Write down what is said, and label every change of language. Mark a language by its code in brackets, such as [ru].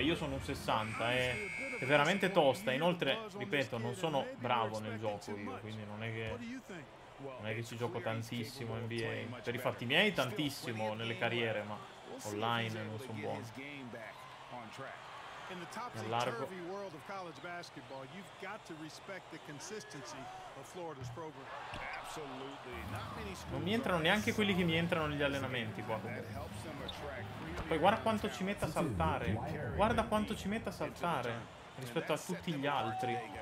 [it] Io sono un 60. È veramente tosta. Inoltre, ripeto, non sono bravo nel gioco io. Quindi non è che ci gioco tantissimo NBA. Per i fatti miei tantissimo nelle carriere, ma online non sono buono. [en] In the topsy-turvy world of college basketball, you've got to respect the consistency of Florida's program. Absolutely. [it] Non mi entrano neanche quelli che mi entrano negli allenamenti qua. Poi guarda quanto ci mette a saltare. Guarda quanto ci mette a saltare rispetto a tutti gli altri.